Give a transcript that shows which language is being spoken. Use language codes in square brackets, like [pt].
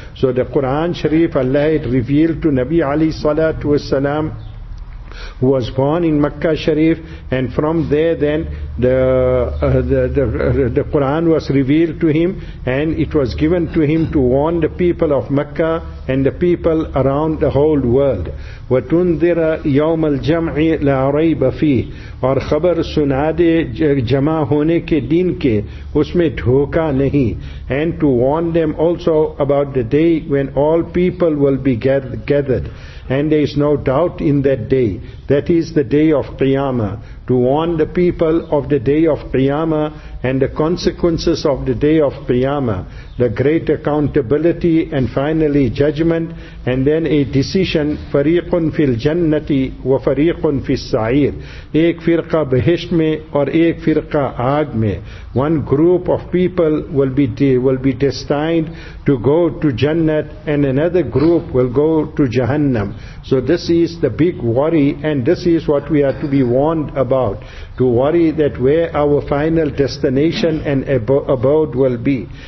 [en] So the Quran Sharif, Allah had revealed to Nabi Ali Salatu Wasalam, who was born in Makkah Sharif, and from there then the Quran was revealed to him, and it was given to him to warn the people of Makkah and the people around the whole world. [ar] وَتُنذِرَ يَوْمَ الْجَمْعِ لَا رَيْبَ فِيهِ [ur] اور خبر سنا دے جمع ہونے کے دن کے اس میں دھوکا نہیں. [en] And to warn them also about the day when all people will be gathered. And there is no doubt in that day. That is the day of Qiyamah. To warn the people of the day of Qiyamah and the consequences of the day of Qiyamah. The great accountability and finally judgment, and then a decision. [ar] فَرِيقٌ فِي الْجَنَّةِ وَفَرِيقٌ فِي السَّعِيرِ. [ur] ایک فرقہ بہشت میں اور ایک فرقہ آگ میں. [en] One group of people will be destined to go to Jannat, and another group will go to Jahannam. So this is the big worry, and this is what we are to be warned about. To worry that where our final destination and abode will be.